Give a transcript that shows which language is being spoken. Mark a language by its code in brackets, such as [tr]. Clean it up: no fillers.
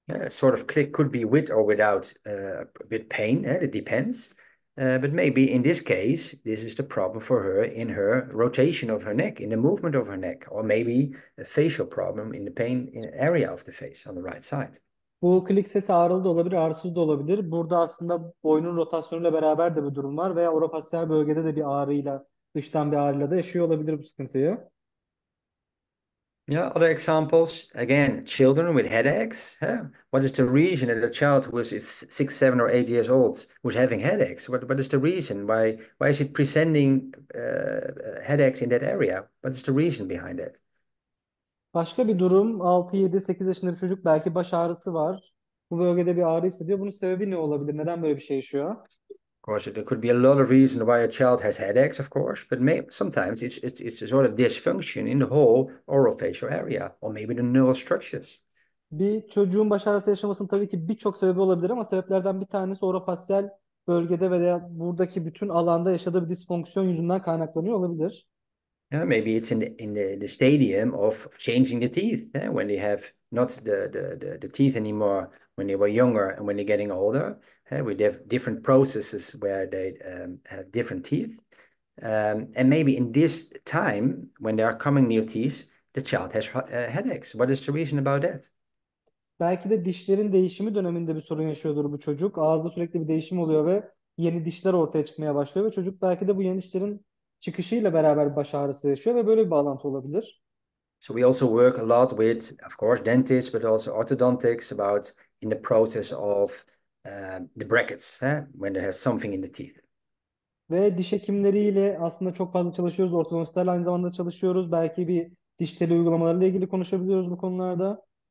[en] Sort of click could be with or without a bit pain. It depends. But maybe in this case, this is the problem for her in her rotation of her neck, in the movement of her neck, or maybe a facial problem in the pain in area of the face on the right side. [tr] Bu klik sesi ağrılı da olabilir, ağrısız da olabilir. Burada aslında boyunun rotasyonuyla beraber de bir durum var. Veya orofasyal bölgede de bir ağrıyla, dıştan bir ağrıyla da yaşıyor olabilir bu sıkıntıyı. [en] Yeah, other examples. Again, children with headaches. What is the reason that a child who is 6, 7, or 8 years old was having headaches? What is the reason? Why is it presenting headaches in that area? What is the reason behind that? [tr] Başka bir durum, 6, 7, 8 yaşında bir çocuk belki baş ağrısı var. Bu bölgede bir ağrı hissediyor. Bunun sebebi ne olabilir? Neden böyle bir şey yaşıyor? [en] Course, there could be a lot of reasons why a child has headaches, of course, but maybe sometimes it's a sort of dysfunction in the whole orofacial area or maybe the neural [tr] Bir çocuğun baş ağrısı yaşamasının tabii ki birçok sebebi olabilir ama sebeplerden bir tanesi orofasyal bölgede veya buradaki bütün alanda yaşadığı bir disfonksiyon yüzünden kaynaklanıyor olabilir. [en] structures. Maybe it's in the stadium of changing the teeth, when they have not the teeth anymore. When they were younger and when they're getting older, we have different processes where they have different teeth. And maybe in this time, when there are coming new teeth, the child has headaches. What is the reason about that? [tr] Belki de dişlerin değişimi döneminde bir sorun yaşıyordur bu çocuk. Ağızda sürekli bir değişim oluyor ve yeni dişler ortaya çıkmaya başlıyor ve çocuk belki de bu yeni dişlerin çıkışıyla beraber baş ağrısı yaşıyor ve böyle bir bağlantı olabilir. [en] So we also work a lot with, of course, dentists, but also orthodontics about in the process of the brackets, when there has something in the teeth. [tr] Ve diş hekimleriyle aslında çok fazla çalışıyoruz. Ortodontistlerle aynı zamanda çalışıyoruz. Belki bir diş teli uygulamalarıyla ilgili konuşabiliyoruz bu konularda.